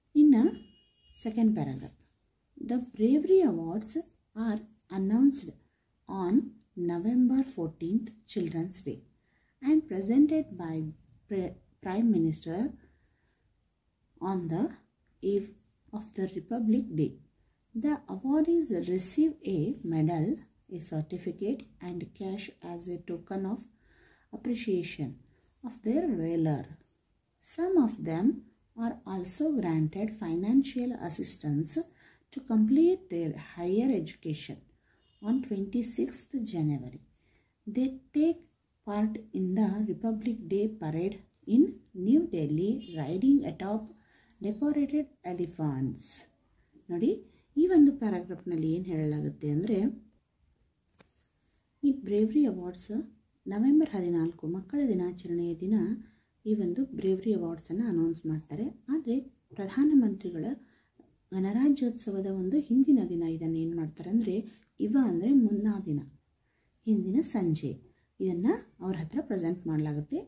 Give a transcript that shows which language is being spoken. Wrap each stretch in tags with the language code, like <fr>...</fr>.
<kn>ಇನ್ನು</kn> <en>Second paragraph, the bravery awards are announced on November 14th Children's Day and presented by prime minister on the eve of the Republic Day. The awardees receive a medal, a certificate and cash as a token of appreciation of their valor. Some of them are also granted financial assistance to complete their higher education. On 26th January, they take part in the Republic Day parade in New Delhi, riding atop decorated elephants.</en> <kn>ನೋಡಿ ಈ ಒಂದು ಪ್ಯಾರಾಗ್ರಾಫ್ನಲ್ಲಿ ಏನು ಹೇಳಲಾಗುತ್ತೆ ಅಂದರೆ, ಈ bravery awards November 14 ಮಕ್ಕಳ ದಿನಾಚರಣೆಯ ದಿನ ಈ ಒಂದು ಬ್ರೇವ್ರಿ ಅವಾರ್ಡ್ಸನ್ನು ಅನೌನ್ಸ್ ಮಾಡ್ತಾರೆ. ಆದರೆ ಪ್ರಧಾನಮಂತ್ರಿಗಳ ಗಣರಾಜ್ಯೋತ್ಸವದ ಒಂದು ಹಿಂದಿನ ದಿನ ಇದನ್ನು ಏನು ಮಾಡ್ತಾರೆ ಅಂದರೆ, ಇವ ಅಂದರೆ ಮುನ್ನಾ ದಿನ, ಹಿಂದಿನ ಸಂಜೆ ಇದನ್ನು ಅವ್ರ ಹತ್ರ ಪ್ರೆಸೆಂಟ್ ಮಾಡಲಾಗುತ್ತೆ.</kn>